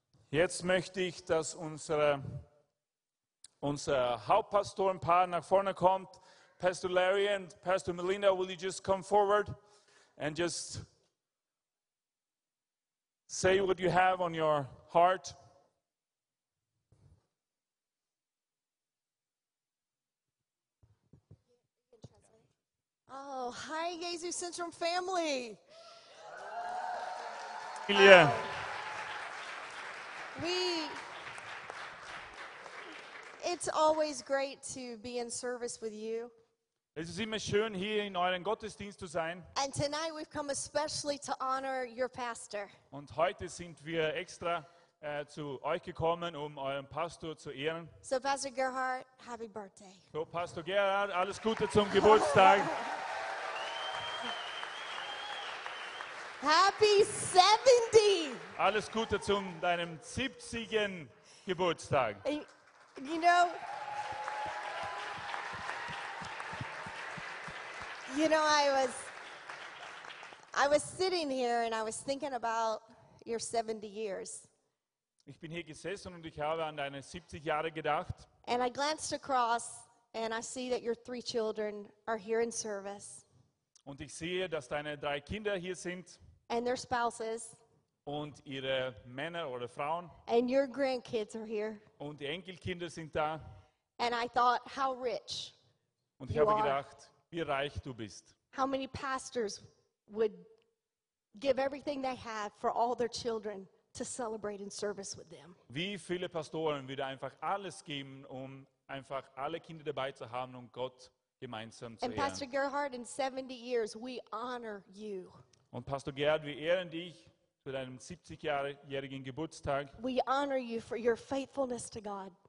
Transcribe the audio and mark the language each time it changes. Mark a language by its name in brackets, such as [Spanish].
[German] Jetzt möchte ich, dass unser Hauptpastorenpaar nach vorne kommt. Pastor Larry und Pastor Melinda, [English] will you just come forward? And just say what you have on your heart. Oh, hi, Jesus Centrum family. Yeah. It's always great to be in service with you. [German] Es ist immer schön, hier in euren Gottesdienst zu sein. [English] And tonight we've come especially to honor your pastor. [German] Und heute sind wir extra zu euch gekommen, um euren Pastor zu ehren. [English] So, Pastor Gerhard, happy birthday. [German] So, Pastor Gerhard, alles Gute zum Geburtstag. [English] Happy 70. [German] Alles Gute zum deinem 70. Geburtstag. [English] You know, I was sitting here and I was thinking about your 70 years. [German] Ich bin hier gesessen und ich habe an deine 70 Jahre gedacht. [English] And I glanced across and I see that your three children are here in service. [German] Und ich sehe, dass deine drei Kinder hier sind. [English] And their spouses. [German] Und ihre Männer oder Frauen. [English] And your grandkids are here. [German] Und die Enkelkinder sind da. [English] And I thought, how rich [German] und ich habe gedacht, wie reich du bist. [English] How many pastors would give everything they have for all their children to celebrate in service with them? [German] Wie viele Pastoren würde einfach alles geben, um einfach alle Kinder dabei zu haben und Gott gemeinsam zu ehren? [English] And Pastor Gerhard, in 70 years, we honor you. [German] Und Pastor Gerhard, wir ehren dich für deinen 70-jährigen Geburtstag. [English] We honor you for your faithfulness to God.